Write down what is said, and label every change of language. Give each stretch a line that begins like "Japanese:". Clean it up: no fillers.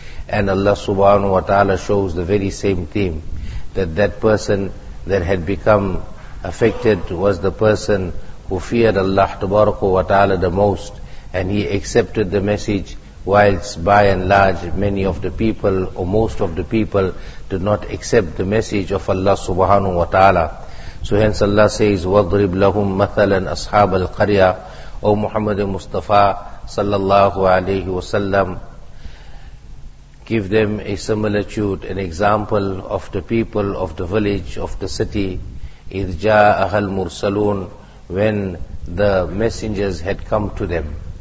English: And Allah subhanahu wa ta'ala shows the very same theme, that that person that had become affected was the person who feared Allah tabaraka wa ta'ala the most, and he accepted the message, whilst by and large many of the people, or most of the people, did not accept the message of Allah subhanahu wa ta'ala. So hence Allah says,
Arabic: وَضْرِبْ لَهُمْ مَثَلًا أَصْحَابَ الْقَرْيَةِ.
English: O Muhammad Mustafa sallallahu alayhi wa sallam, give them a similitude, an example of the people of the village, of the city.
Arabic: إِذْ جَاءَهَا الْمُرْسَلُونَ,
English: when the messengers had come to them.